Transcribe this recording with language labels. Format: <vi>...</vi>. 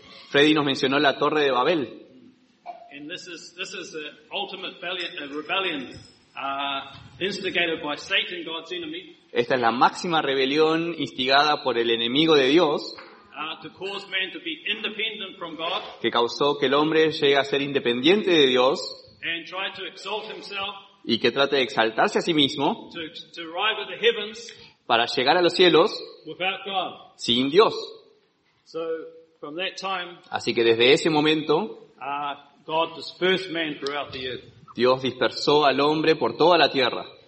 <es>Freddie nos mencionó la Torre de Babel.</es> <en>And this is the ultimate rebellion instigated by Satan, God's enemy.</en> <es>Esta es la máxima rebelión instigada por el enemigo de Dios.</es> <en>To cause man to be independent from God,</en> <es>que causó que el hombre llegue a ser independiente de Dios</es> <en>and try to exalt himself,</en> <es>y que trate de exaltarse a sí mismo</es> <en>to arrive at the heavens,</en> <es>para llegar a los cielos</es> <en>without God.</en> <es>Sin Dios.</es> <en>So, from that time,</en> <es>así que desde ese momento</es> <en>God dispersed man throughout the earth.</en> <es>Dios dispersó al hombre por toda la tierra.</es>